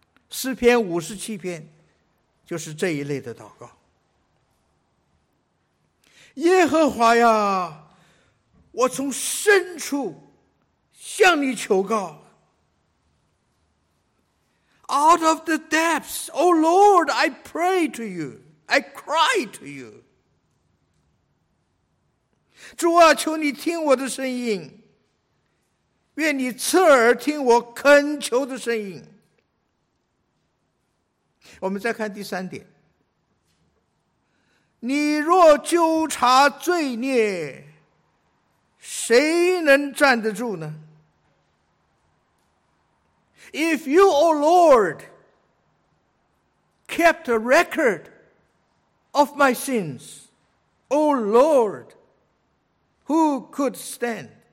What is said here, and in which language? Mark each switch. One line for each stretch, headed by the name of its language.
Chinese: 诗篇五十七篇就是这一类的祷告。耶和华呀，我从深处向你求告。
English: Out of the depths, O Lord, I pray to you, I cry to you。
Chinese: 主啊，求你听我的声音，愿你侧耳听我恳求的声音。我们再看第三点，你若纠察罪孽，谁能站得住呢？
English: If you, O Lord, kept a record of my sins, O Lord,Who could stand?